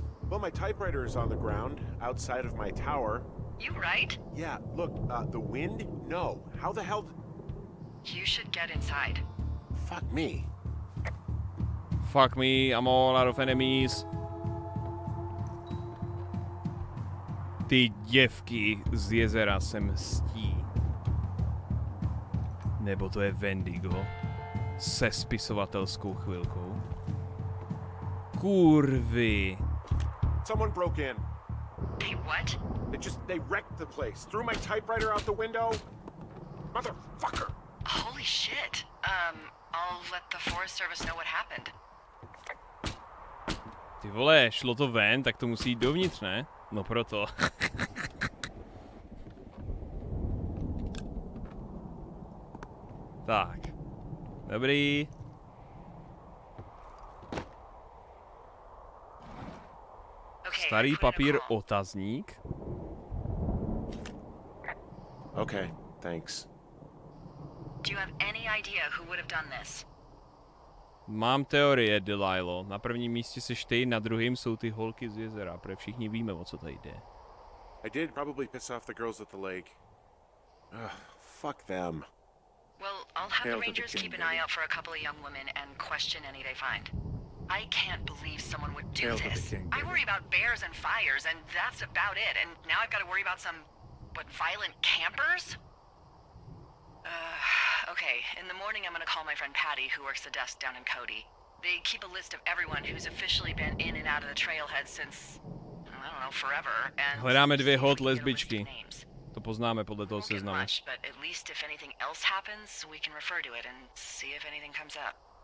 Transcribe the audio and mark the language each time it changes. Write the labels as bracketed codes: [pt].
[en] Well, my typewriter is on the ground, outside of my tower. You right? Yeah, look, the wind? No. How the hell... You should get inside. Fuck me. Fuck me, I'm all out of enemies. [cs] Ty děvky z jezera se mstí. Nebo to je Wendigo se spisovatelskou chvilkou. Kurvy. [en] Someone broke in. They what? They wrecked the place. Threw my typewriter out the window. Motherfucker. Holy shit. I'll let the Forest Service know what happened. [cs] Ty vole, šlo to ven, tak to musí jít dovnitř, ne? No proto. Tak. Dobrý. Starý papír otazník. [en] Okay, thanks. Do you have any idea who would have done this? [cs] Mám teorie, Delilo. Na prvním místě seš ty, na druhém jsou ty holky z jezera, protože všichni víme, o co tady jde. [en] I did probably piss off the girls at the lake. Ugh, fuck them. Well, I'll have the rangers keep an eye out for a couple of young women and question any they find. I can't believe someone would do this. I worry about bears and fires, and that's about it. And now I've got to worry about some, what, violent campers? Okay, in the morning I'm gonna call my friend Patty, who works the desk down in Cody. They keep a list of everyone who's officially been in and out of the trailhead since, I don't know, forever. And [cs] hledáme dvě hot lesbičky. To poznáme podle toho seznamu. [en] But at least if anything else happens, we can refer to it and see if anything comes up.